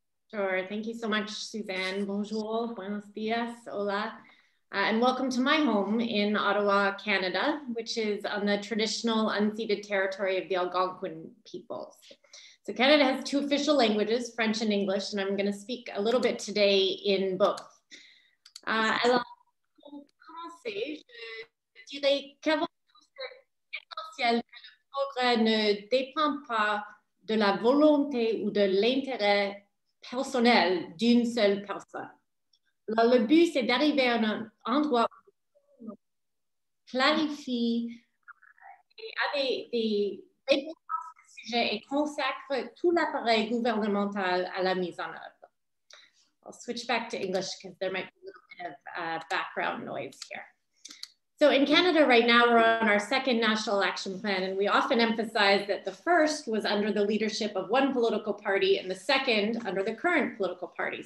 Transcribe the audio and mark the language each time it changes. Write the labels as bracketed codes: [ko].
[en] Sure, thank you so much, Suzanne. Bonjour, [es] buenos dias, hola. [en] And welcome to my home in Ottawa, Canada, which is on the traditional unceded territory of the Algonquin peoples. So Canada has two official languages, French and English, and I'm gonna speak a little bit today in both. [fr] Alors, pour commencer, je dirais qu'avant tout, c'est essentiel que le progrès ne dépend pas de la volonté ou de l'intérêt personnel d'une seule personne. Alors, le but, c'est d'arriver à un endroit où clarifie des réponses à ce sujet et consacre tout l'appareil gouvernemental à la mise en œuvre. [en] I'll switch back to English because there might be a little bit of background noise here. So in Canada right now, we're on our second national action plan, and we often emphasize that the first was under the leadership of one political party and the second under the current political party.